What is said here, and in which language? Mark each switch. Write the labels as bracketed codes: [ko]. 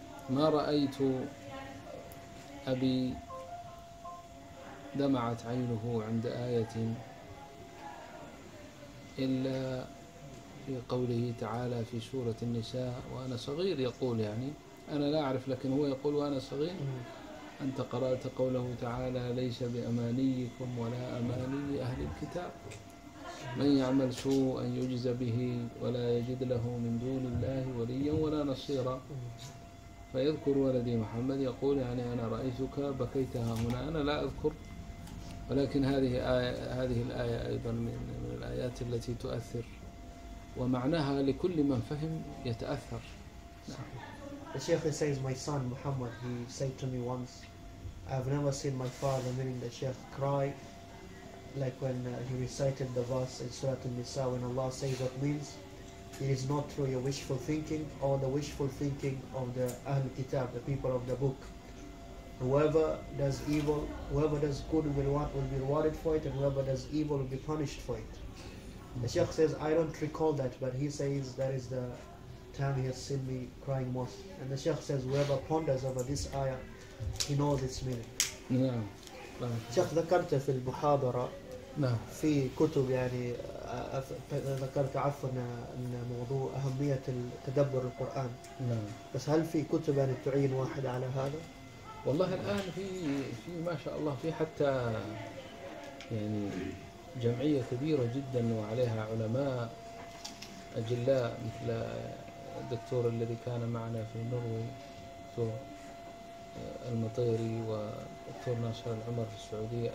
[ar] ما رأيت أبي دمعت عينه عند آية إلا في قوله تعالى في سورة النساء وأنا صغير يقول يعني أنا لا أعرف لكن هو يقول وأنا صغير أنت قرأت قوله تعالى ليس بأمانيكم ولا أماني أهل الكتاب من يعمل سوءا يجز به ولا يجد له من دون الله وليا ولا نصيرا فيذكر ولدي محمد يقول يعني أنا رأيتك بكيتها هنا، أنا لا أذكر، ولكن هذه آية، هذه الآية أيضا من الآيات التي تؤثر، ومعناها لكل من فهم يتأثر. [en] The Shaykh says, my son Muhammad, he said to me once, I've never seen my father, meaning the Shaykh, cry like when he recited the verse in Surah An-Nisa, when Allah says that means it is not through your wishful thinking or the wishful thinking of the Ahl Kitab, the people of the book. Whoever does evil, whoever does good will be rewarded for it, and whoever does evil will be punished for it. The Shaykh says, I don't recall that, but he says that is the time he has seen me crying most. And the Shaykh says, whoever ponders over this ayah, he knows its meaning. [ar] Shaykh, ذكرت في المحاضرة في كتب يعني ذكرت عفوا أن موضوع أهمية تدبر القرآن. بس هل في كتب يعني تعين واحد على هذا؟ والله الآن في ما شاء الله في حتى يعني جمعية كبيرة جدا وعليها علماء أجلاء مثل الدكتور الذي كان معنا في النرويج، دكتور المطيري، ودكتور ناصر العمر في السعودية.